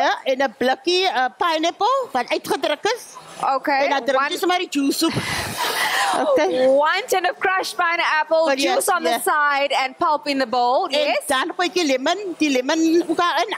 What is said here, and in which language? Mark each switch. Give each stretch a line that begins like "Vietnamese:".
Afrikaans: Ja, en 'n blikkie pineapple wat uitgedruk is. Okay. En dan drink jy sommer die juice op. Okay.
English: One tin of crushed pineapple, but juice on the side and pulp in the bowl,
Afrikaans: en
English: yes?
Afrikaans: En dan gooi jy die lemon ook in.